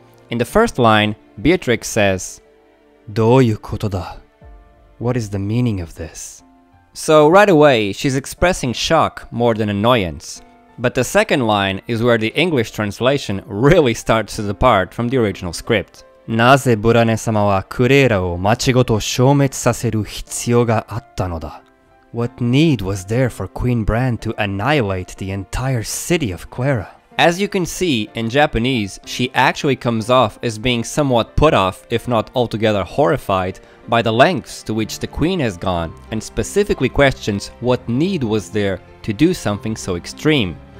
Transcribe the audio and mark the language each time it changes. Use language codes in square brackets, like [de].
[en] In the first line, Beatrix says, [ja] "どういうことだ? [en] What is the meaning of this?" So right away, she's expressing shock more than annoyance. But the second line is where the English translation really starts to depart from the original script. [ja] なぜブラネ様はクレーラを町ごと消滅させる必要があったのだ? [en] What need was there for Queen Bran to annihilate the entire city of Clara? As you can see, in Japanese, she actually comes off as being somewhat put off, if not altogether horrified, by the lengths to which the Queen has gone, and specifically questions what need was there to do something so extreme.